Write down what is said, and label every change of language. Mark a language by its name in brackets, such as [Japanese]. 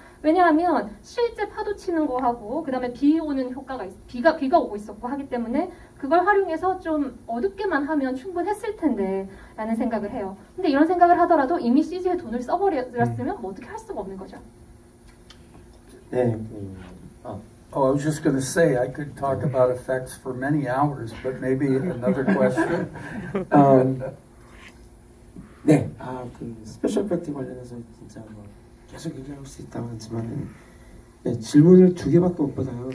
[Korean] 왜냐하면 실제 파도 치는 거 하고 그 다음에 비가 오고 있었고 하기 때문에 그걸 활용해서 좀 어둡게만 하면 충분했을 텐데 라는 생각을 해요. 근데 이런 생각을 하더라도 이미 CG에 돈을 써버렸으면 뭐 어떻게 할 수가 없는 거죠. 네, [English] Oh, I was just going to say I could talk about effects for many hours, but maybe another question. [Korean] 네, 아, 그 스페셜 이펙트 관련해서 진짜 뭐 계속 얘기할 수 있다고 했지만 네, 질문을 두 개밖에 못 받아요.